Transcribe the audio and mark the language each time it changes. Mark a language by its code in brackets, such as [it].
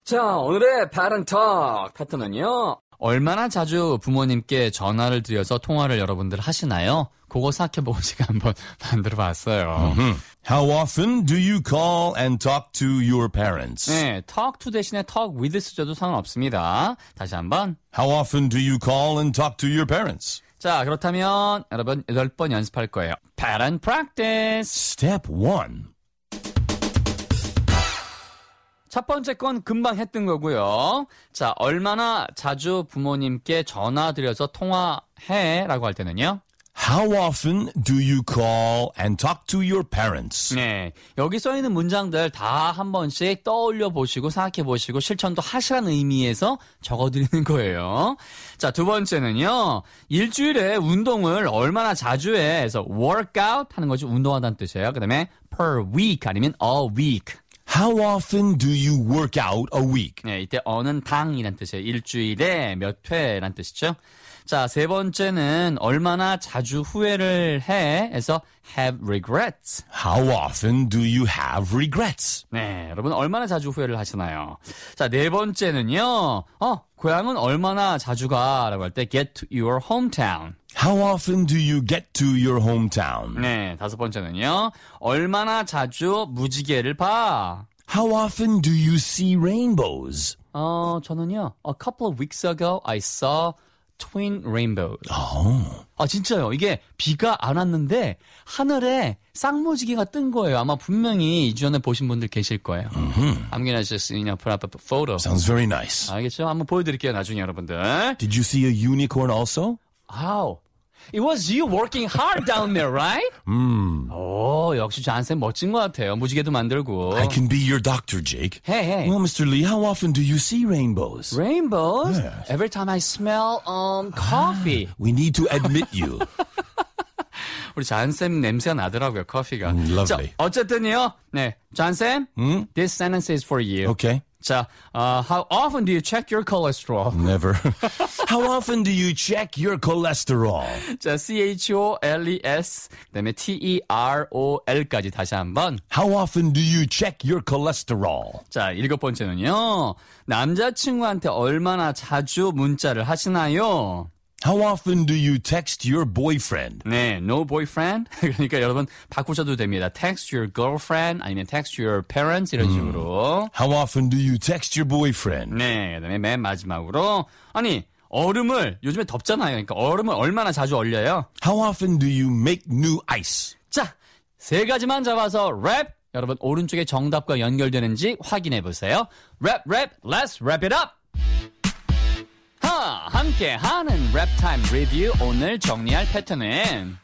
[ko] 자, 오늘의 Parent Talk 파트너는요. 얼마나 자주 부모님께 전화를 드려서 통화를 여러분들 하시나요? 그거 생각해보고 제가 한번 만들어 봤어요. [en] How often do you call and talk to your parents? [ko] 네, [en] talk to [ko] 대신에 [en] talk with [ko] 쓰셔도 상관없습니다. 다시 한번. [en] How often do you call and talk to your parents? [ko] 자, 그렇다면 여러분 8번 연습할 거예요. [en] Parent practice. Step 1. [ko] 첫 번째 건 금방 했던 거고요. 자, 얼마나 자주 부모님께 전화 드려서 통화해? 라고 할 때는요. [en] How often do you call and talk to your parents? [ko] 네, 여기 써있는 문장들 다 한 번씩 떠올려 보시고 생각해 보시고 실천도 하시라는 의미에서 적어드리는 거예요. 자, 두 번째는요. 일주일에 운동을 얼마나 자주 해? 해서 workout 하는 것이 운동하다는 뜻이에요. 그 다음에 [en] per week [ko] 아니면 [en] a week. How often do you work out a week? [ko] 네, 이때 어는 당이란 뜻이에요. 일주일에 몇 회란 뜻이죠. 자, 세 번째는 얼마나 자주 후회를 해? 해서 [en] have regrets. How often do you have regrets? [ko] 네, 여러분 얼마나 자주 후회를 하시나요? 자, 네 번째는요. 고향은 얼마나 자주 가? 라고 할 때 [en] get to your hometown. How often do you get to your hometown? [ko] 네, 다섯 번째는요. 얼마나 자주 무지개를 봐? [en] How often do you see rainbows? [ko] 저는요. [en] A couple of weeks ago, I saw twin rainbows. Oh. [ko] 아, 진짜요. 이게 비가 안 왔는데 하늘에 쌍무지개가 뜬 거예요. 아마 분명히 2주 전에 보신 분들 계실 거예요. Mm-hmm. [en] I'm going to just, you know, put up a photo. Sounds very nice. [ko] 알겠죠? 한번 보여드릴게요, 나중에 여러분들. [en] Did you see a unicorn also? How? It was you working hard down there, right? [ko] 역시 잔쌤 멋진 것 같아요. 무지개도 만들고. [en] I can be your doctor, Jake. Hey, hey. Well, Mr. Lee, how often do you see rainbows? Rainbows? Yes. Every time I smell coffee. We need to admit you. [ko] 우리 잔쌤 냄새가 나더라고요, 커피가. [en] Lovely. [ko] 자, 어쨌든요. 네, 잔쌤. [en] This sentence is for you. Okay. [ko] 자, [en] how often do you check your cholesterol? Never. How often do you check your cholesterol? [ko] 자, C-H-O-L-E-S, 그다음에 T-E-R-O-L까지 다시 한번. [en] How often do you check your cholesterol? [ko] 자, 일곱 번째는요. 남자친구한테 얼마나 자주 문자를 하시나요? [en] How often do you text your boyfriend? [ko] 네, [en] no boyfriend. [ko] 그러니까 여러분 바꾸셔도 됩니다. [en] Text your girlfriend, [ko] 아니면 [en] text your parents [ko] 이런 식으로. [en] How often do you text your boyfriend? [ko] 네, 그다음에 맨 마지막으로 아니 얼음을 요즘에 덥잖아요. 그러니까 얼음을 얼마나 자주 얼려요? [en] How often do you make new ice? [ko] 자, 세 가지만 잡아서 랩. 여러분 오른쪽에 정답과 연결되는지 확인해 보세요. [en] Rap, rap, let's wrap it up. [ko] 함께하는 랩타임 리뷰 오늘 정리할 패턴은